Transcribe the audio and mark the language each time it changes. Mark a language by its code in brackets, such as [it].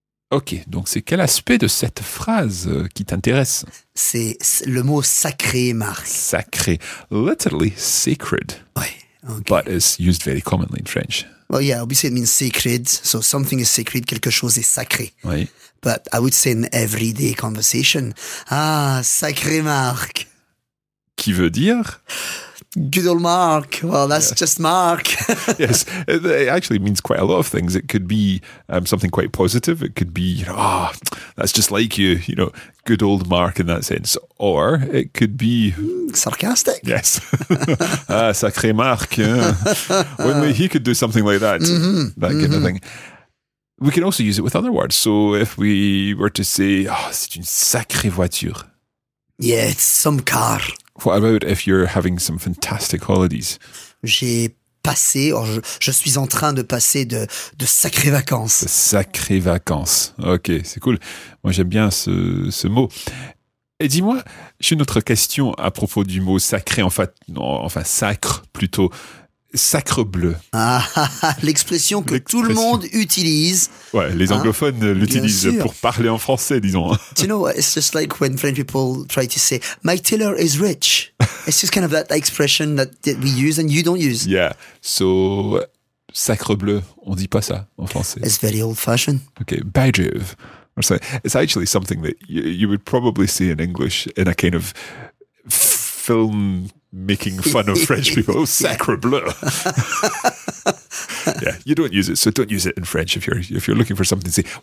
[fr] Okay, donc c'est quel aspect de cette phrase qui t'intéresse? C'est le mot sacré, Marc. [en] Sacré. Literally sacred. [fr] Ouais, okay. [en] But it's used very commonly in French. Well, yeah, obviously it means sacred. So something is sacred, [fr] quelque chose est sacré. Oui. [en] But I would say in everyday conversation, [fr] ah, sacré Marc. Qui veut dire? [en] Good old Marc. Well, that's just Marc. Yes, it actually means quite a lot of things. It could be something quite positive. It could be, you know, ah, oh, that's just like you, you know, good old Marc in that sense. Or it could be... sarcastic. Yes. Ah, sacré Marc. Yeah. Only he could do something like that, kind of thing. We can also use it with other words. So if we were to say, oh, [fr] c'est une sacrée voiture. [en] Yeah, it's some car. What about if you're having some fantastic holidays? [fr] J'ai passé, [en] or [fr] je suis en train de passer de sacrées vacances. De sacrées vacances. Ok, c'est cool. Moi, j'aime bien ce mot. Et dis-moi, j'ai une autre question à propos du mot sacré, en fait, enfin sacre plutôt. Sacre bleu. Ah, l'expression que l'expression. Tout le monde utilise. Ouais, les anglophones l'utilisent pour parler en français, disons. [en] Do you know what? It's just like when French people try to say, my tailor is rich. It's just kind of that expression that we use and you don't use. Yeah, so [fr] sacre bleu, on dit pas ça en français. [en] It's very old-fashioned. Okay, by Jove. Or so it's actually something that you would probably see in English in a kind of film making fun of French people. Oh, sacre bleu. Yeah, you don't use it, so don't use it in French if you're looking for something to say.